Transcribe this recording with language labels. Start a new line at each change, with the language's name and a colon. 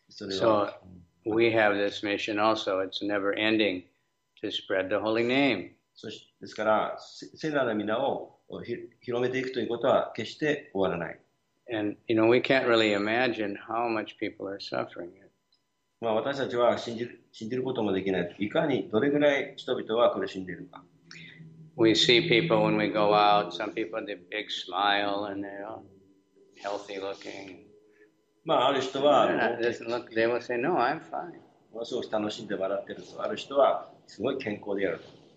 English: So we have this mission also. It's never ending to spread the holy name.
Japanese: ですから、聖なる皆を広めていくということは決して終わらない。
English: And, you know, we can't really imagine how much people are suffering.
Japanese: まあ、私たちは信じることもできない。いかに、どれぐらい人々は苦しんでいるか。
English: We see people when we go out, some people have a big smile and they're healthy looking.
Japanese: まあ、ある人は、
English: they will say, no, I'm fine.
Japanese: ものすごく楽しんで笑ってると。ある人は、すごい健康であると。